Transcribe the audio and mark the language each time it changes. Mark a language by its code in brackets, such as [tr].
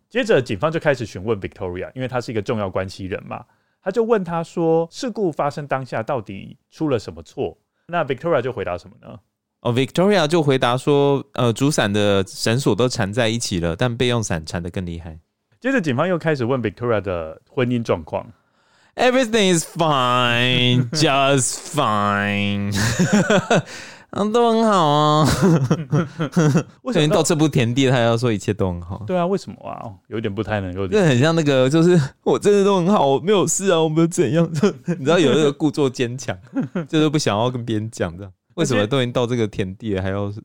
[zh] 接着警方就开始询问 Victoria， 因为他是一个重要关系人嘛，他就问他说事故发生当下到底出了什么错。那 Victoria 就回答什么呢？ Victoria 就回答说主伞的绳索都缠在一起了，但备用伞缠得更厉害。接着警方又开始问 Victoria 的婚姻状况。 [en] Everything is fine, just fine. [zh] 都很好啊。为什么到这步田地他要说一切都很好？对啊，为什么啊？有点不太能够理解。很像那个就是我真的都很好，我没有事啊，我没有怎样。你知道有那个故作坚强，就是不想要跟别人讲这样。为什么都已经到这个田地了还要。